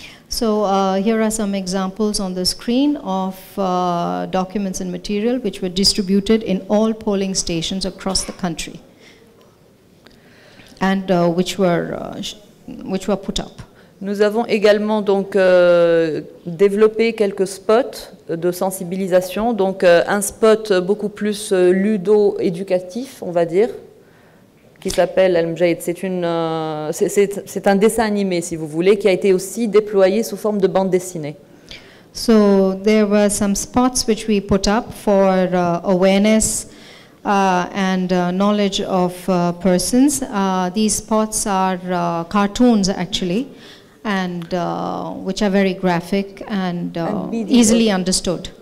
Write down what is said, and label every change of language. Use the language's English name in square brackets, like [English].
[English] So here are some examples on the screen of documents and material which were distributed in all polling stations across the country and which were put up. [French] Nous avons également donc développé quelques spots de sensibilisation, donc un spot beaucoup plus ludo-éducatif, on va dire, qui s'appelle Elm Jade. C'est un dessin animé, si vous voulez, qui a été aussi déployé sous forme de bande dessinée. [English] So there were some spots which we put up for awareness and knowledge of persons. These spots are cartoons, actually, and which are very graphic and easily understood.